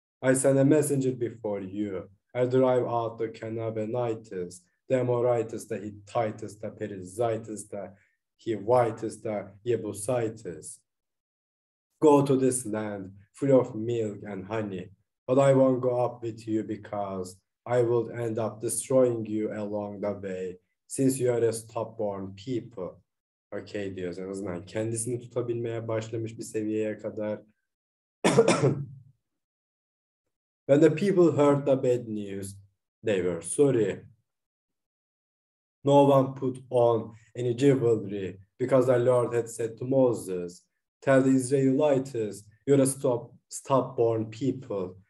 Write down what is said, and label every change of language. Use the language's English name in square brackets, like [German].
[English] I send a messenger before you. I'll drive out the Canaanites, the Amorites, the Hittites, the Perizzites, the Hivites, the Jebusites. Go to this land full of milk and honey, but I won't go up with you because I will end up destroying you along the way, since you are a stubborn people." [Turkish] Okay diyoruz. En azından kendisini tutabilmeye başlamış bir seviyeye kadar. [English] "When the people heard the bad news, they were sorry. No one put on any jewelry because the Lord had said to Moses, 'Tell the Israelites, you're a stubborn people.